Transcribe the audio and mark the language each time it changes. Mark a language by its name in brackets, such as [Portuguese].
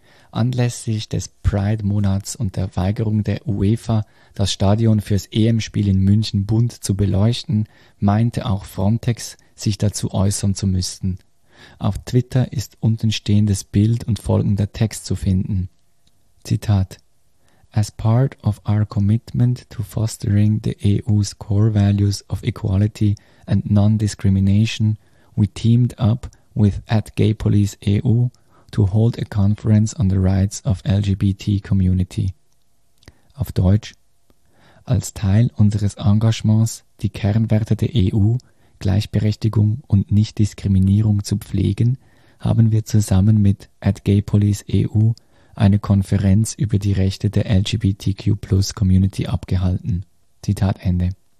[German] Anlässlich des Pride-Monats und der Weigerung der UEFA, das Stadion fürs EM-Spiel in München bunt zu beleuchten, meinte auch Frontex, sich dazu äußern zu müssten. Auf Twitter ist unten stehendes Bild und folgender Text zu finden. Zitat: [English] As part of our commitment to fostering the EU's core values of equality and non-discrimination, we teamed up with @GayPoliceEU to hold a conference on the rights of LGBT community. [German] Auf Deutsch: Als Teil unseres Engagements, die Kernwerte der EU, Gleichberechtigung und Nichtdiskriminierung zu pflegen, haben wir zusammen mit @GayPoliceEU eine Konferenz über die Rechte der LGBTQ+-Community abgehalten. Zitat Ende.